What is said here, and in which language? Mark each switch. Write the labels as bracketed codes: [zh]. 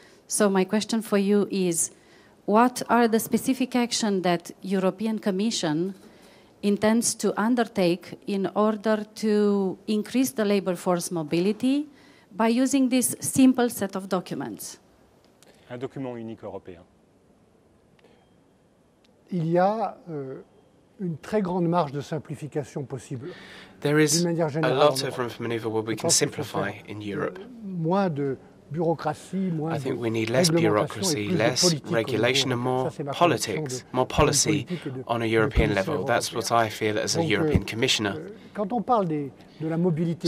[en] So my question for you is, what are the specific actions that the European Commission intends to undertake in order to increase the labor force mobility by using this simple set of documents? [fr] Un document unique européen. Il y a une très grande marge de simplification possible. [en] There is a lot of room for maneuver where we can simplify in Europe. [fr] Moins de bureaucratie, moins [en] I think we need less bureaucracy, less regulation, and more politics, more policy on a European level. That's what I feel as a European Commissioner. [fr] Quand on parle de la mobilité,